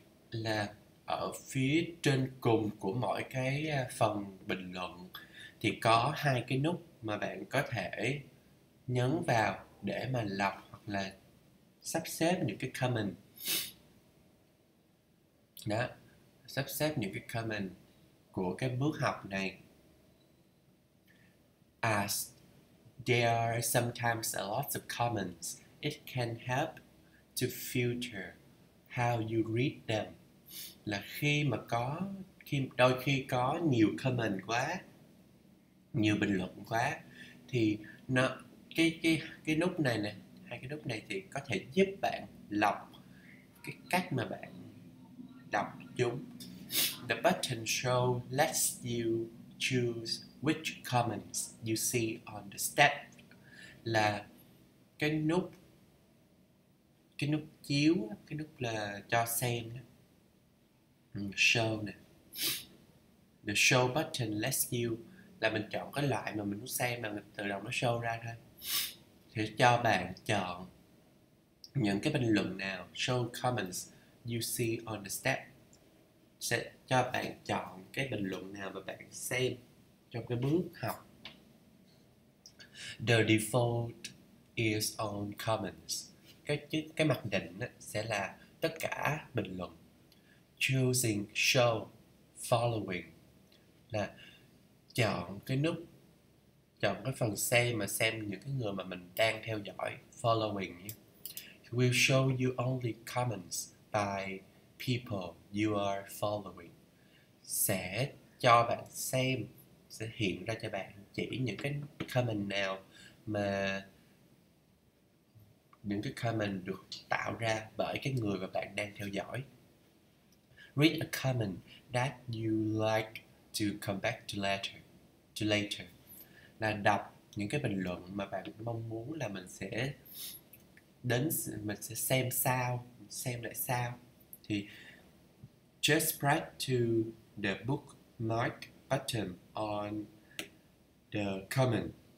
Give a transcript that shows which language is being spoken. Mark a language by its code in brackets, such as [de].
[vi] Là ở phía trên cùng của mỗi cái phần bình luận thì có hai cái nút mà bạn có thể nhấn vào để mà lọc hoặc là sắp xếp những cái comment. Đó, sắp xếp những cái comment của cái bước học này. [en] As there are sometimes a lot of comments, it can help to filter how you read them. [vi] Là khi đôi khi có nhiều comment quá, nhiều bình luận quá, thì nó cái nút này này, hai cái nút này thì có thể giúp bạn lọc cái cách mà bạn đọc chúng. [en] The button show lets you choose which comments you see on the step. [vi] Là cái nút chiếu, cái nút là cho xem đó. Show nè. [en] The show button lets you, [vi] là mình chọn cái loại mà mình muốn xem, mà mình tự động nó show ra thôi. Thì cho bạn chọn những cái bình luận nào, [en] show comments you see on the step, [vi] sẽ cho bạn chọn cái bình luận nào mà bạn xem trong cái bước học. [en] The default is on comments. [vi] Cái mặc định đó sẽ là tất cả bình luận. [en] Choosing show following [vi] là chọn cái phần xem mà xem những cái người mà mình đang theo dõi, following nhé. [en] Will show you only comments by people you are following. [vi] Sẽ cho bạn xem, sẽ hiện ra cho bạn chỉ những cái comment nào mà những cái comment được tạo ra bởi cái người mà bạn đang theo dõi. [en] Read a comment that you like to come back to later. [vi] Là đọc những cái bình luận mà bạn mong muốn là mình sẽ xem sao, xem lại sao. [en] Thì just press to the bookmark button on the comment.